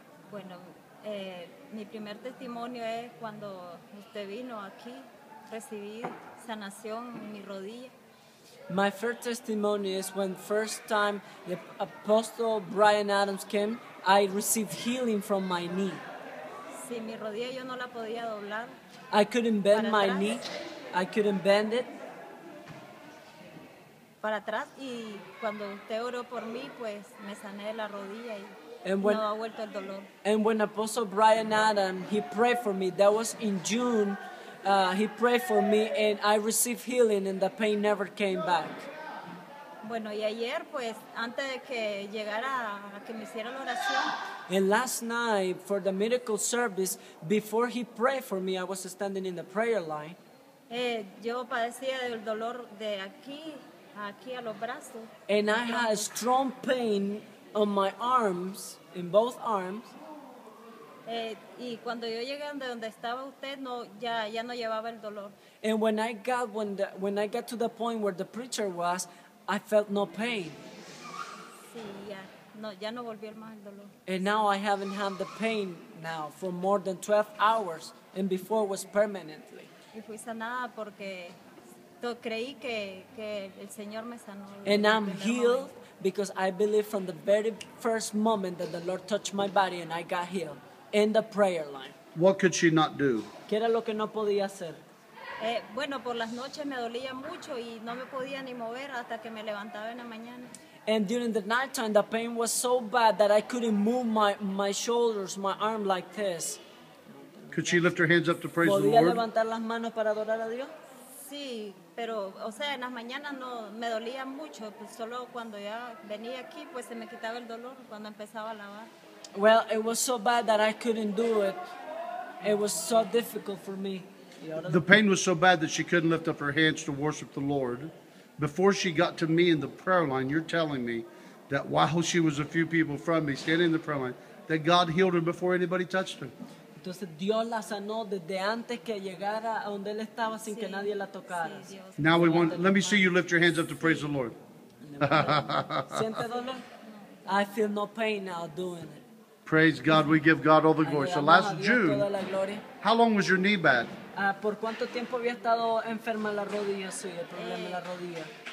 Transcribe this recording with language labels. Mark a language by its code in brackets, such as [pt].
[es] Bueno, mi primer testimonio es cuando usted vino aquí, recibí sanación en mi rodilla. [en] My first testimony is when first time the Apostle Brian Adams came, I received healing from my knee. [es] Sí, mi rodilla yo no la podía doblar. [en] I couldn't bend my knee. I couldn't bend it. [es] Para atrás, y cuando usted oró por mí, pues me sané de la rodilla y no ha vuelto el dolor. [en] And when Apostle Brian Adams, he prayed for me, that was in June, he prayed for me and I received healing and the pain never came back. [es] Bueno, y ayer, pues, antes de que llegara a que me hiciera la oración. [en] And last night, for the miracle service, before he prayed for me, I was standing in the prayer line. [es] Yo padecía del dolor de aquí, aquí a los brazos. [en] And I had a strong pain on my arms, in both arms. [es] Y cuando yo llegué donde, donde estaba usted, no, ya, ya no llevaba el dolor. [en] And when I got to the point where the preacher was, I felt no pain. [es] Sí, ya. No, ya no volví más el dolor. [en] And now I haven't had the pain now for more than 12 hours, and before it was permanently. [es] Y fui sanada porque creí que el Señor me sanó. [en] And I'm healed because I believe from the very first moment that the Lord touched my body and I got healed in the prayer line. What could she not do? [es] ¿Qué era lo que no podía hacer? Bueno, por las noches me dolía mucho y no me podía ni mover hasta que me levantaba en la mañana. [en] And during the nighttime, the pain was so bad that I couldn't move my shoulders, my arm like this. Could she lift her hands up to praise [es] ¿Podía [en] the Lord? [es] Levantar las manos para adorar a Dios? Sí, pero, o sea, en las mañanas no me dolía mucho. Pues solo cuando ya venía aquí, pues se me quitaba el dolor cuando empezaba a lavar. [en] Well, it was so bad that I couldn't do it. It was so difficult for me. The pain was so bad that she couldn't lift up her hands to worship the Lord. Before she got to me in the prayer line, you're telling me that while she was a few people from me, standing in the prayer line, that God healed her before anybody touched her. [es] Entonces Dios la sanó desde antes que llegara a donde él estaba sin que nadie la tocara. [en] Now we want, let me see you lift your hands up to praise the Lord. [es] ¿Siente dolor? [en] I feel no pain now doing it. Praise God, we give God all the glory. So last June, how long was your knee bad? [es] ¿Por cuánto tiempo había estado enferma la rodilla suya, el problema de la rodilla?